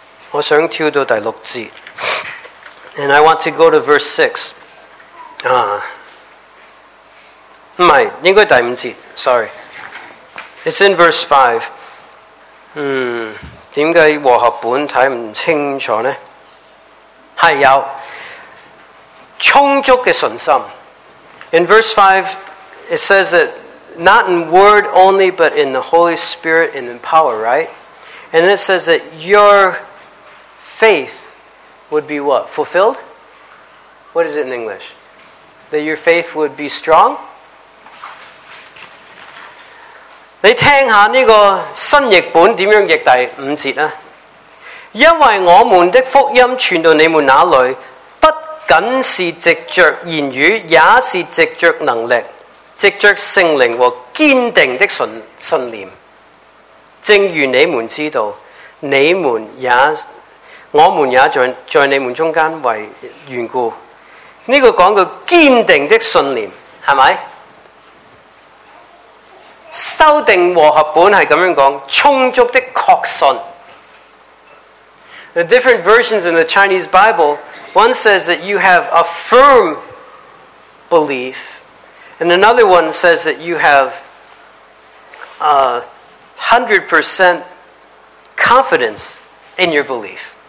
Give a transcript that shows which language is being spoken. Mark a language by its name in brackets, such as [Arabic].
[Chinese] 我想跳到第六节。 [English] And I want to go to verse 6. [Chinese] 不是，应该第五节。 [English] Sorry. It's in verse 5. [Chinese] 为什么和合本看不清楚呢？是有充足的信心。 [English] In verse 5, it says that not in word only, but in the Holy Spirit and in power, right? And it says that your faith would be what? Fulfilled? What is it in English? That your faith would be strong? [Chinese] 你听下这个新译本怎样译第五节呢？因为我们的福音传到你们那里，不仅是藉着言语，也是藉着能力，藉着圣灵和坚定的信念。正如你们知道，我们也在你们中间为缘故。这个讲到坚定的信念，是不是？修订和合本是这样讲，充足的确信。 [English] The different versions in the Chinese Bible, one says that you have a firm belief, and another one says that you have a 100% confidence in your belief.